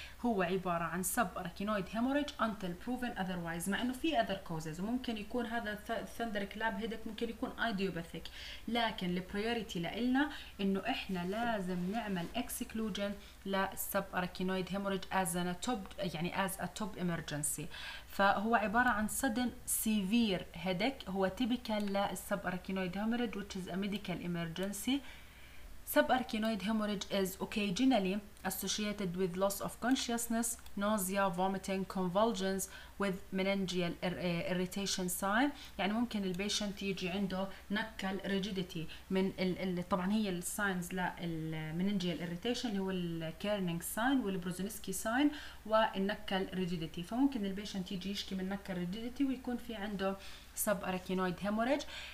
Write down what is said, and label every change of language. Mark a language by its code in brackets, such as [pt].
[ar] هو عباره عن سب اركينويد هيموريج انتل بروفن اذروايز، مع انه في اذر كوزز وممكن يكون هذا ثندر كلاب هيدك ممكن يكون ايديوباثيك، لكن البريوريتي لنا انه احنا لازم نعمل اكسكلوجن للسب اركينويد هيموريج از ان توب، يعني از ا توب ايمرجنسي. فهو عباره عن سدن سيفير هيدك هو تيبيكال للسب اركينويد هيموريج [en] which is a medical emergency. Subarachnoid hemorrhage is occasionally associated with loss of consciousness, nausea, vomiting, convulsions with meningeal irritation sign. [ar] يعني ممكن البيشنت يجي عنده نكل rigidity من ال طبعا هي الساينز للmeningeal irritation اللي هو الكيرنينج ساين والبروزينسكي ساين والنكل rigidity، فممكن البيشنت يجي يشكي من نكل rigidity ويكون في عنده subarachnoid hemorrhage.